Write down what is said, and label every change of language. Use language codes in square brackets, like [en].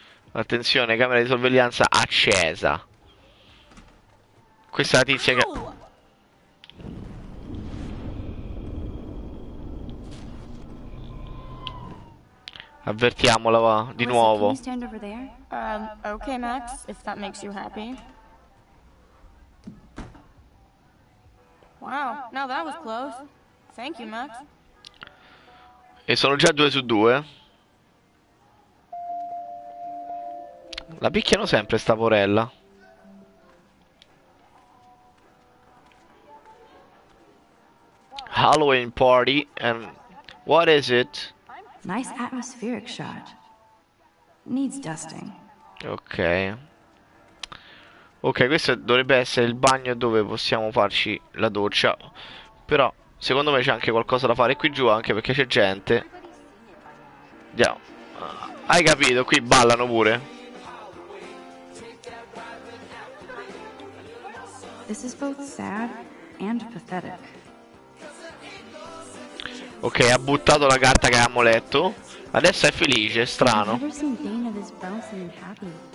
[it] Attenzione, camera di sorveglianza accesa. Questa tizia che... Avvertiamola, va, di nuovo. [en] Ok, Max, if that makes you happy. Wow, now that was close. Thank you, Max. [it] E sono già 2 su 2. La picchiano sempre sta porella. [en] Halloween party and what is it? Nice atmospheric shot. Needs dusting. [it] Ok, questo dovrebbe essere il bagno dove possiamo farci la doccia. Però, secondo me c'è anche qualcosa da fare qui giù, anche perché c'è gente. Andiamo. Hai capito? Qui ballano pure. [en] This is both sad and pathetic. [it] Ok, ha buttato la carta che avevamo letto. Adesso è felice, è strano. [en] I've never seen Dana this bouncy and happy.